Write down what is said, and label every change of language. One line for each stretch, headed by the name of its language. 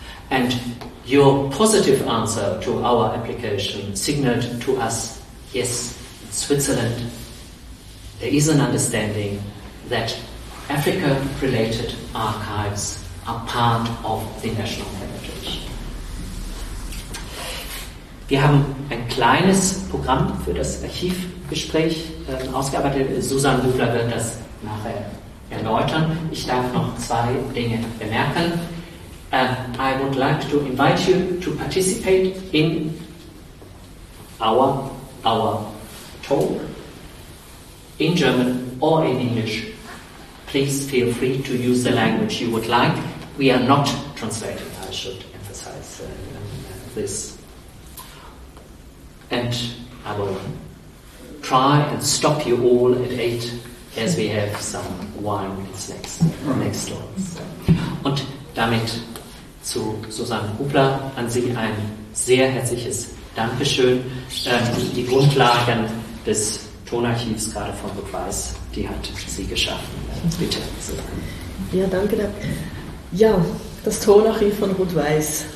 English: And your positive answer to our application signaled to us, yes, Switzerland, there is an understanding that Africa-related archives are part of the national heritage.
German: Wir haben ein kleines Programm für das Archivgespräch ausgearbeitet. Susan Dufler wird das nachher erläutern. Ich darf noch zwei Dinge bemerken.
English: I would like to invite you to participate in our talk in German or in English. Please feel free to use the language you would like. We are not translating, I should emphasize this. And I will try and stop you all at 8, as we have some wine and snacks next door.
German: Und damit zu Susanne Hubler, an Sie ein sehr herzliches Dankeschön. Die Grundlagen des Tonarchivs, gerade von Burg Weiß, die hat sie geschaffen. Bitte. Ja, danke. Ja, das Tonarchiv von Ruth Weiß.